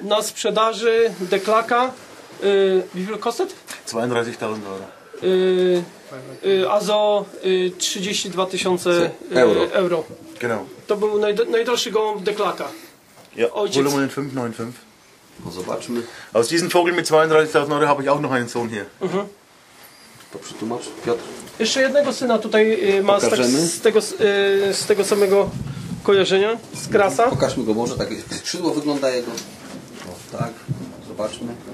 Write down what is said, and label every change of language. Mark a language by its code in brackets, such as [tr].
[pl] Na sprzedaży deklaka, [de] wie viel kostet? 32.000 euro. Azo 32.000 euro. Genau. [pl] To był najdroższy gołąb deklaka. [de] Ja, Volumen 595. [pl] No zobaczmy. [de] Aus diesem Vogel mit 32.000 euro habe ich auch noch einen Sohn hier. [pl] To przetłumacz, Piotr. Jeszcze jednego syna tutaj ma z tego samego kojarzenia, z krasa. Pokażmy go może, takie skrzydło wygląda jego. O, tak, zobaczmy.